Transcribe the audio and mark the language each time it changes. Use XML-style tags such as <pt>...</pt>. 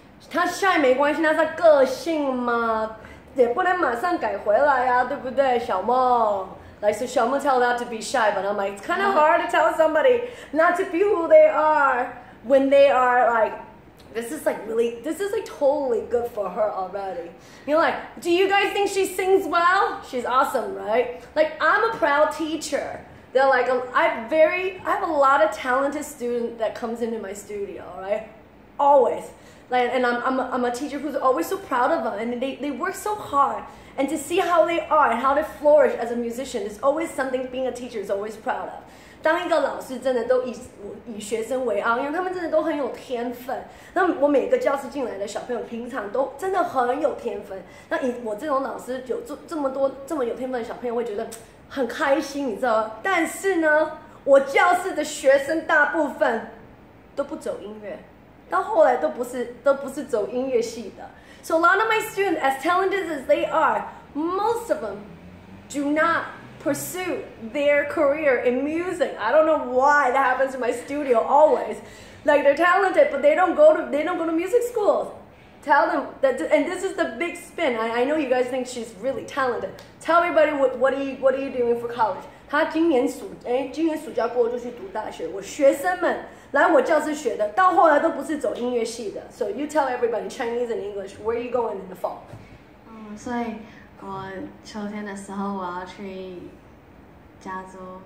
<zh>他 shy 没关系，那是他个性嘛，也不能马上改回来呀、啊，对不对，小梦？</zh> <en>Like, so 小梦 tell not to be shy, but I'm like, it's kind of hard to tell somebody not to be who they are when they are like, this is like really, this is like totally good for her already. You're like, do you guys think she sings well? She's awesome, right? Like, I'm a proud teacher. They're like, I have a lot of talented student that comes into my studio, right? Always, like, and I'm a teacher who's always so proud of them, and they work so hard, and to see how they are and how they flourish as a musician is always something being a teacher is always proud of.</en> <zh>当一个老师真的都以学生为傲，因为他们真的都很有天分。那我每个教室进来的小朋友平常都真的很有天分。那以我这种老师有这么多这么有天分的小朋友，会觉得很开心，你知道吗？但是呢，我教室的学生大部分都不走音乐。到后来都不是走音乐系的。</zh> <en>So a lot of my students, as talented as they are, most of them do not pursue their career in music. I don't know why that happens in my studio always. Like they're talented, but they don't go to music school. Tell them that, and this is the big spin. I know you guys think she's really talented. Tell everybody what are you doing for college?</en> <zh>他今年暑假过后就去读大学。我学生们来我教室学的，到后来都不是走音乐系的。</zh> <en>So you tell everybody Chinese and English, where are you going in the fall?</en> <zh>所以我秋天的时候我要去加州</zh>